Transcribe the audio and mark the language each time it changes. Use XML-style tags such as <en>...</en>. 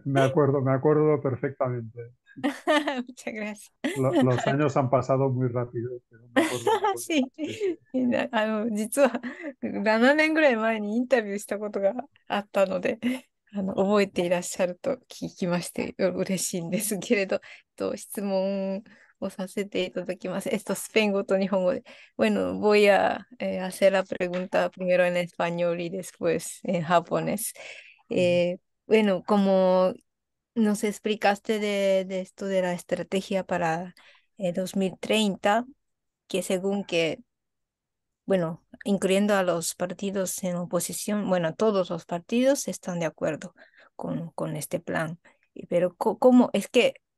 <es>Me acuerdo perfectamente. Muchas gracias. Los años han pasado muy rápido, pero me acuerdo Sí, perfectamente.</es> <ja>実は7年ぐらい前にインタビューしたことがあったので、覚えていらっしゃると聞きまして、嬉しいんですけれど、質問をさせていただきます。スペイン語と日本語で。</ja> <es>Bueno, voy a hacer la pregunta primero en español y después en japonés. Bueno, como nos explicaste de esto de la estrategia para 2030, que según que, bueno, incluyendo a los partidos en oposición, bueno, todos los partidos están de acuerdo con este plan. Pero, ¿cómo es que</es>